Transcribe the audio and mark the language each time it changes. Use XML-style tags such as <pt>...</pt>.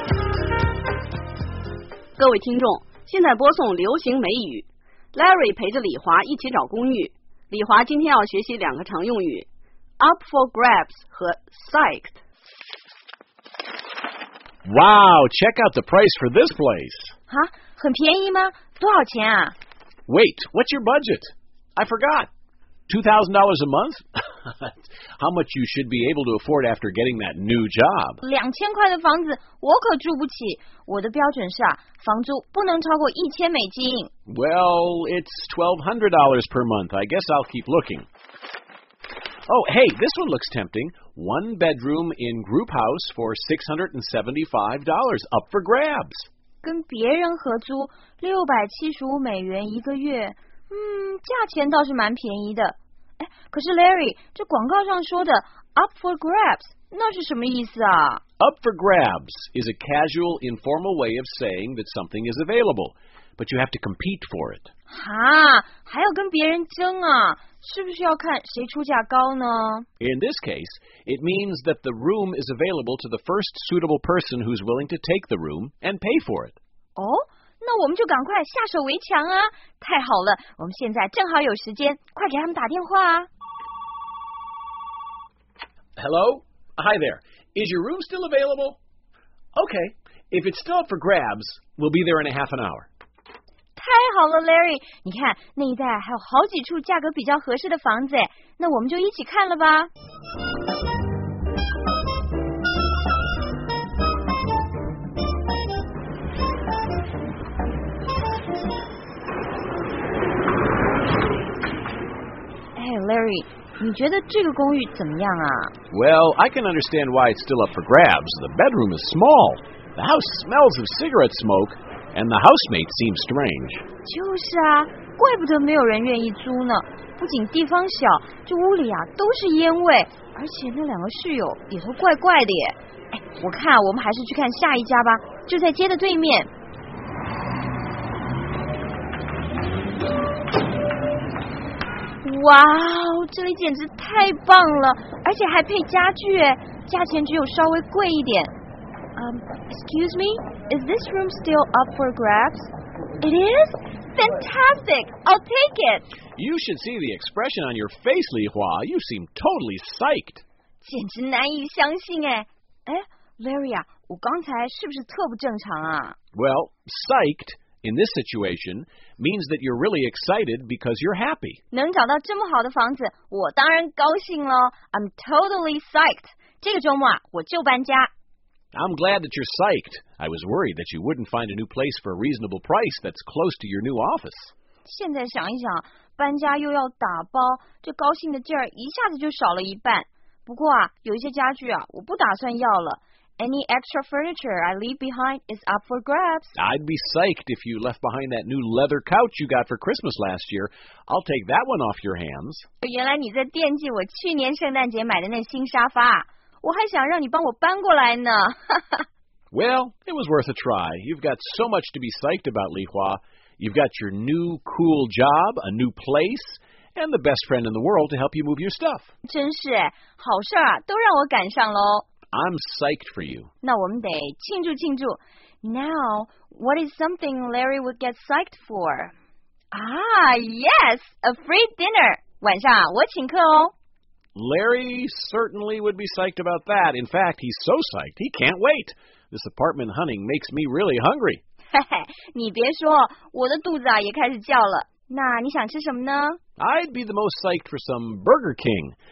<zh>位听众，现在播送流行美语。 Larry 陪着李华一起找公寓，李华今天要学习两个常用语， up for grabs 和 psyched。</zh> <en>Wow, check out the price for this place.</en> <zh>啊，很便宜吗？多少钱啊？</zh> <en>Wait, what's your budget? I forgot. $2,000 a month? How much you should be able to afford after getting that new job?</en> <zh>2000块的房子我可住不起。我的标准是啊，房租不能超过$1,000。</zh> <en>Well, it's $1,200 per month. I guess I'll keep looking. Oh, hey, this one looks tempting. One bedroom in group house for $675, up for grabs.</en> <zh>跟别人合租$675一个月，价钱倒是蛮便宜的。可是 Larry, 这广告上说的 up for grabs, 那是什么意思啊？</zh> <en>Up for grabs is a casual, informal way of saying that something is available, but you have to compete for it.</en> <zh>哈，还要跟别人争啊，是不是要看谁出价高呢？</zh> <en>In this case, it means that the room is available to the first suitable person who's willing to take the room and pay for it.</en> <zh>哦，那我们就赶快下手为强啊！太好了，我们现在正好有时间，快给他们打电话啊。</zh> <en>Hello? Hi there. Is your room still available? Okay, if it's still up for grabs, we'll be there in a half an hour.</en> <zh>太好了 Larry, 你看那一带还有好几处价格比较合适的房子，那我们就一起看了吧。 Larry, 你觉得这个公寓怎么样啊？</zh> <en>Well, I can understand why it's still up for grabs. The bedroom is small. The house smells of cigarette smoke, and the housemate seems strange.</en> <zh>就是啊，怪不得没有人愿意租呢。不仅地方小，这屋里啊都是烟味，而且那两个室友也都怪怪的耶。我看我们还是去看下一家吧，就在街的对面。哇哦，这里简直太棒了，而且还配家具，价钱只有稍微贵一点。</zh> <en>Excuse me, is this room still up for grabs? It is? Fantastic, I'll take it. You should see the expression on your face, Li Hua. You seem totally psyched.</en> <zh>简直难以相信哎。哎 ,Larry 啊，我刚才是不是特不正常啊？</zh> <en>Well, psyched. In this situation, means that you're really excited because you're happy.</en> <zh>能找到这么好的房子，我当然高兴了。</zh> <en>I'm totally psyched.</en> <zh>这个周末啊，我就搬家。</zh> <en>I'm glad that you're psyched. I was worried that you wouldn't find a new place for a reasonable price that's close to your new office.</en> <zh>现在想一想，搬家又要打包，这高兴的劲儿一下子就少了一半。不过啊，有一些家具啊，我不打算要了。</zh> <en>Any extra furniture I leave behind is up for grabs. I'd be psyched if you left behind that new leather couch you got for Christmas last year. I'll take that one off your hands.</en> <zh>原来你在惦记我去年圣诞节买的那新沙发，我还想让你帮我搬过来呢。</zh> <en>Well, it was worth a try. You've got so much to be psyched about, Li Hua. You've got your new cool job, a new place, and the best friend in the world to help you move your stuff.</en> <zh>真是，好事啊，都让我赶上喽。</zh> <en>I'm psyched for you.</en> <zh>那我们得庆祝庆祝。</zh> <en>Now, what is something Larry would get psyched for? Ah, yes, a free dinner.</en> <zh>晚上啊，我请客哦。</zh> <en>Larry certainly would be psyched about that. In fact, he's so psyched, he can't wait. This apartment hunting makes me really hungry.</en> <zh>你别说，我的肚子啊也开始叫了。那你想吃什么呢？</zh> <en>I'd be the most psyched for some Burger King.</en>